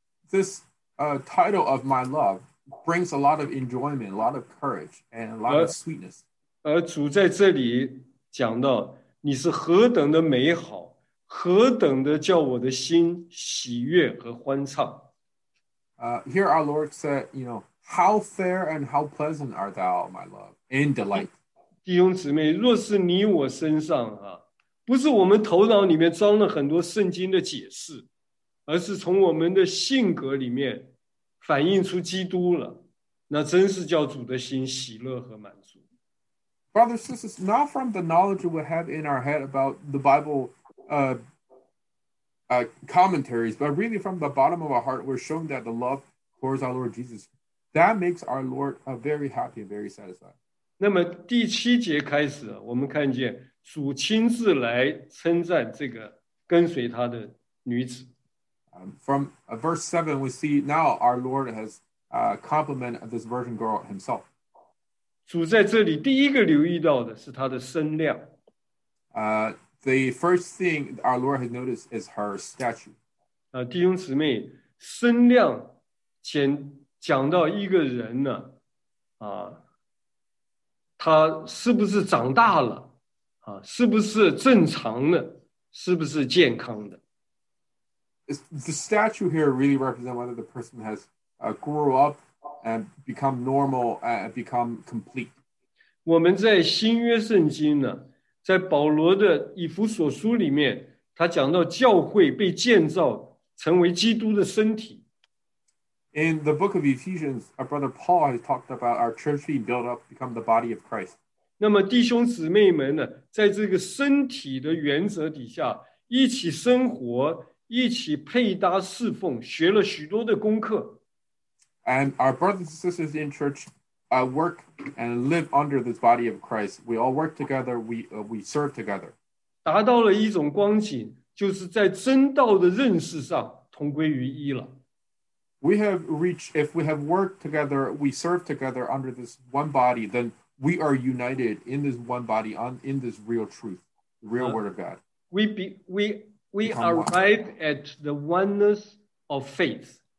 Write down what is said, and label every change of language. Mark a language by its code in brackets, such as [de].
[en] This title of my love brings a lot of enjoyment, a lot of courage, and a lot of sweetness. [zh] 而主在这里讲到你是何等的美好，何等的叫我的心喜悦和欢畅。 [en] Here our Lord said, you know, how fair and how pleasant art thou, my love, in delight. [zh] 弟兄姊妹，若是你我身上啊，不是我们头脑里面装了很多圣经的解释，而是从我们的性格里面反映出基督了，那真是叫主的心喜乐和满足。 [en] Brothers and sisters, not from the knowledge we have in our head about the Bible, commentaries, but really from the bottom of our heart, we're shown that the love towards our Lord Jesus, that makes our Lord very happy and very satisfied. [zh] 那么第七节开始，我们看见主亲自来称赞这个跟随他的女子。 [en] From verse 7, we see now our Lord has complimented this virgin girl himself. [zh] 主在这里第一个留意到的是她的身量。 [en] The first thing our Lord has noticed is her stature. [zh] 弟兄姊妹，身量讲到一个人呢，他是不是长大了，是不是正常的, 是不是健康的? [en] Is the statue here really represent whether the person has grew up and become normal and become complete? [zh] 我们在新约圣经呢, 在保罗的以弗所书里面, 他讲到教会被建造, 成为基督的身体。 [en] In the book of Ephesians, our brother Paul has talked about our church being built up, become the body of Christ. [zh] 那么弟兄姊妹们呢, 在这个身体的原则底下, 一起生活, 一起配搭侍奉, 学了许多的功课。 [en] And our brothers and sisters in church work and live under this body of Christ. We all work together, we serve together. [zh] 达到了一种光景, 就是在真道的认识上同归于一了。 [en] We have reached, if we have worked together, we serve together under this one body, then we are united in this one body, on in this real truth, the real word of God. We arrive at the oneness of faith.